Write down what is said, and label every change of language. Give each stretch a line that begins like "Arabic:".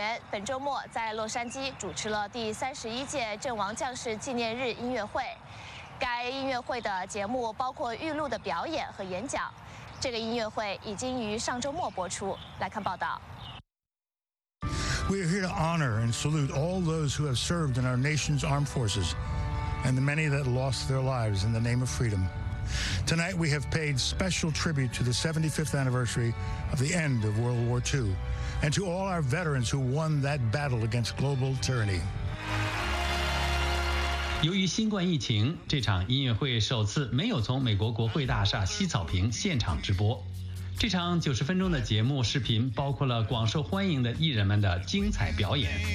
Chinese: 本周末在洛杉矶主持了第31届阵亡将士纪念日音乐会，该音乐会的节目包括预录的表演和演讲。这个音乐会已经于上周末播出，来看报道。
English: We are here to honor and salute all those who have served in our nation's armed forces and the many that lost their lives in the name of freedom. Tonight we have paid special tribute to the 75th anniversary of the end of World War II. And to all our veterans who won that battle against global tyranny.
Chinese: 由于新冠疫情，这场音乐会首次没有从美国国会大厦西草坪现场直播。这场90分钟的节目视频包括了广受欢迎的艺人们的精彩表演。